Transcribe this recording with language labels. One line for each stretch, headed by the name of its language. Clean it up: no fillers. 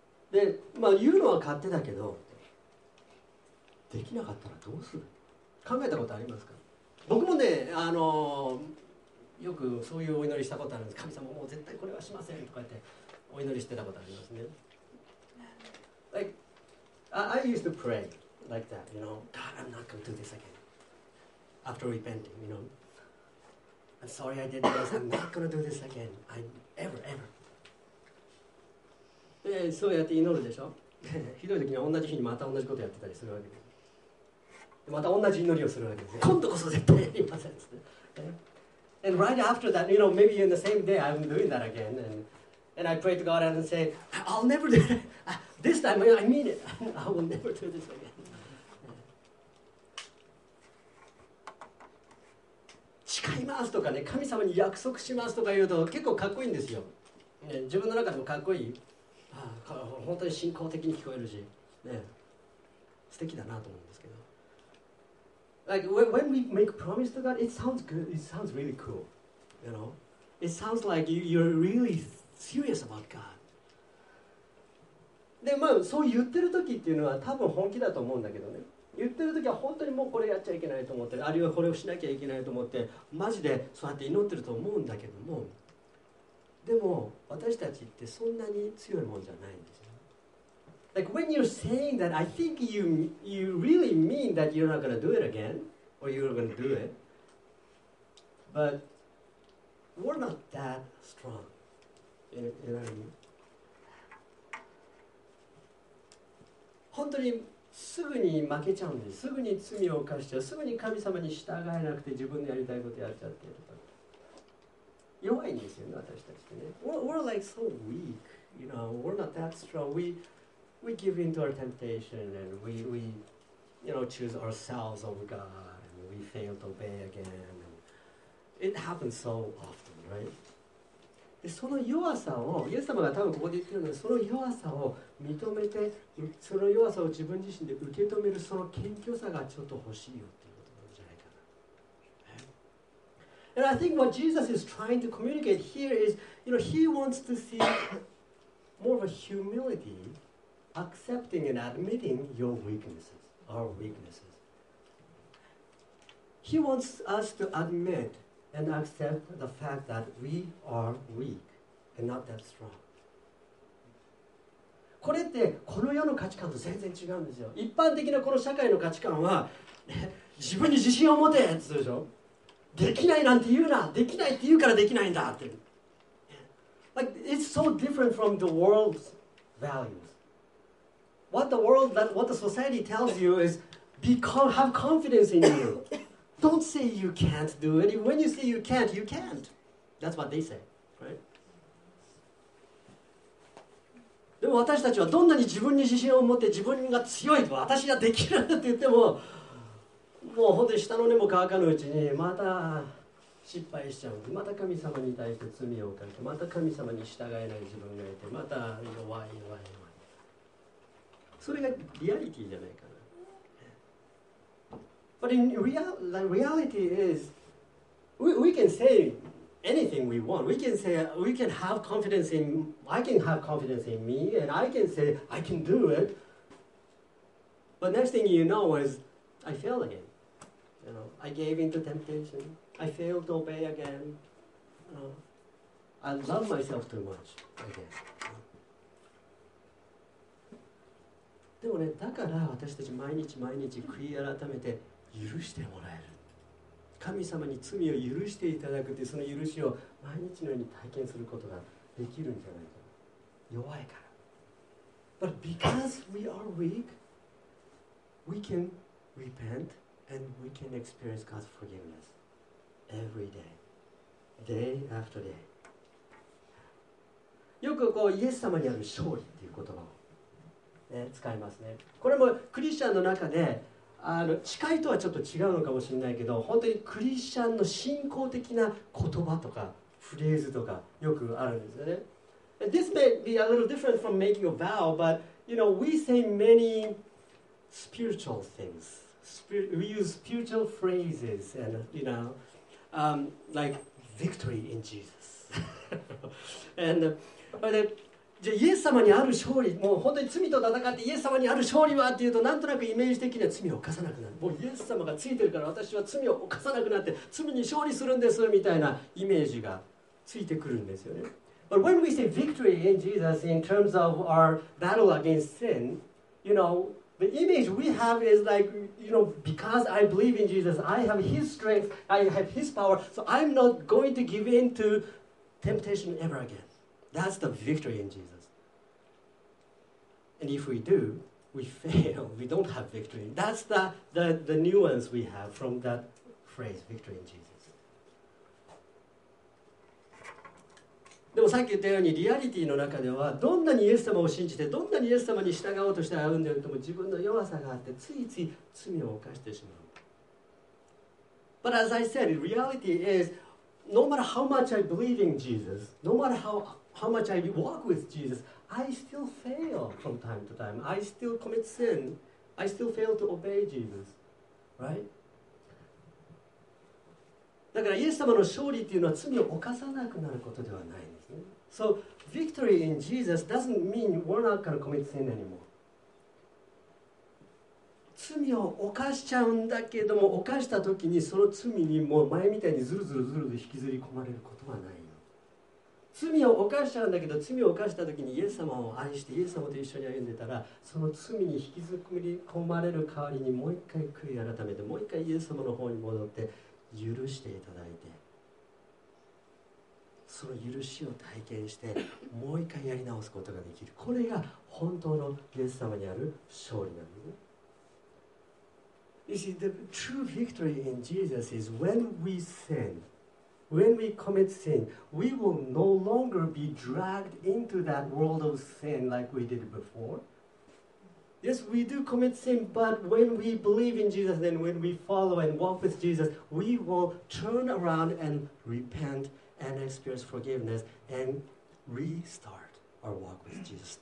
Japanese: で、まあ言うのは勝手だけど。できなかったらどうする？考えたことありますか？僕もね、よくそういうお祈りしたことあるんです。神様もう絶対これはしませんとかってお祈りしてたことありますね。
English: Like, I used to pray like that, you know, God, I'm not going to do this again. After repenting, you know, I'm sorry I did this, I'm not going to do this again, ever.
Japanese: で、そうやって祈るでしょ？ひどい時には同じ日にまた同じことやってたりするわけです。また同じ祈りをするわけですね。今度こそ絶対やりませんっつって。
English: And right after that, you know, maybe in the same day, I'm doing that again. And I pray to God and say, I'll never do it. This time, I mean it. I will never do this again.
Japanese: 誓いますとかね、神様に約束しますとか言うと結構かっこいいんですよ。ね、自分の中でもかっこいい。本当に信仰的に聞こえるし、ね、素敵だなと思うんですけど。
English: Like when we make a promise to God, it sounds good. It sounds really cool, you know. It sounds like you're really serious about God.
Japanese: で、まあそう言ってる時っていうのは多分本気だと思うんだけどね。言ってる時は本当にもうこれやっちゃいけないと思ってる、あるいはこれをしなきゃいけないと思ってマジでそうやって祈ってると思うんだけども、でも私たちってそんなに強いもんじゃないんですよ。
English: Like when you're saying that, I think you really mean that you're not gonna do it again or you're gonna do it, but we're not that strong. You know what I mean?
Japanese: 本当にすぐに負けちゃうんです。すぐに罪を犯しちゃう。すぐに神様に従えなくて自分のやりたいことやっちゃってるとか。弱いんですよね、私たちってね。
English: We're like so weak, you know, we're not that strong. We give in to our temptation and we you know, choose ourselves over God and we fail to obey again. And it happens so often, right?
Japanese: その弱さをイエス様が多分ここで言ってるので、その弱さを認めて、その弱さを自分自身で受け止める、その謙虚さがちょっと欲しいよっていうことなんじゃないかな。
English: And I think what Jesus is trying to communicate here is, you know, he wants to see more of a humility, accepting and admitting your weaknesses, our weaknesses. He wants us to admitand accept the fact that we are weak and not that strong.
Japanese: これってこの世の価値観と全然違うんですよ。一般的なこの社会の価値観は、自分に自信を持てって言うでしょ。できないなんて言うな、できないって言うからできないんだって。
English: Like, it's so different from the world's values. What the world, that, what the society tells you is, have confidence in you. Don't say you can't do it. When you say you can't, you can't. That's what they say, right?
Japanese: でも私たちはどんなに自分に自信を持って自分が強いと私ができるって言っても、もう本当に下の根も乾かぬうちにまた失敗しちゃう。また神様に対して罪を犯して、また神様に従えない自分がいて、また弱い弱い弱い。それがリアリティじゃないかな。
English: But in reality is, we can say anything we want. We can say, we can have confidence in, I can have confidence in me, and I can say, I can do it. But next thing you know is, I fail again. You know, I gave in to temptation. I failed to obey again. You know, I love myself too much, I guess.
Japanese: でもね、だから私たち毎日毎日悔い改めて許してもらえる、神様に罪を許していただくって、その許しを毎日のように体験することができるんじゃないか。弱いから。
English: But because we are weak, we can repent and we can experience God's forgiveness every day, day after day.
Japanese: よくこうイエス様にある勝利っていう言葉を、ね、使いますね。これもクリスチャンの中で、あの誓いとはちょっと違うのかもしれないけど、本当にクリスチャンの信仰的な言葉とかフレーズとかよくあるんですよね。
English: This may be a little different from making a vow, but you know, we say many spiritual things. We use spiritual phrases and, you know, like victory in Jesus. And, but then,
Japanese: じゃあイエス様にある勝利、もう本当に罪と戦ってイエス様にある勝利はっていうと、なんとなくイメージ的には罪を犯さなくなる、もうイエス様がついてるから私は罪を犯さなくなって罪に勝利するんですみたいなイメージがついてくるんですよね。
English: But when we say victory in Jesus in terms of our battle against sin, you know, the image we have is like, you know, because I believe in Jesus, I have his strength, I have his power, so I'm not going to give in to temptation ever againThat's the victory in Jesus. And if we do, we fail. We don't have victory. That's the nuance we have from that phrase, victory in Jesus.
Japanese: でもさっき言ったようにリアリティの中では、どんなにイエス様を信じてどんなにイエス様に従おうとして歩んでいるとも、自分の弱さがあってついつい罪を犯してしまう。
English: But as I said, reality is, no matter how much I believe in Jesus, no matter how much I walk with Jesus, I still fail from time to time. I still commit sin. I still fail to obey Jesus. Right?
Japanese: だからイエス様の勝利っていうのは罪を犯さなくなることではないんですね。
English: So victory in Jesus doesn't mean we're not going to commit sin anymore.
Japanese: 罪を犯しちゃうんだけども、犯した時にその罪にもう前みたいにずるずるずるずる引きずり込まれることはないよ。罪を犯しちゃうんだけど、罪を犯した時にイエス様を愛してイエス様と一緒に歩んでたら、その罪に引きずり込まれる代わりにもう一回悔い改めて、もう一回イエス様の方に戻って許していただいて、その許しを体験してもう一回やり直すことができる。これが本当のイエス様にある勝利なんです。
English: You see, the true victory in Jesus is when we sin, when we commit sin, we will no longer be dragged into that world of sin like we did before. Yes, we do commit sin, but when we believe in Jesus and when we follow and walk with Jesus, we will turn around and repent and experience forgiveness and restart our walk with Jesus.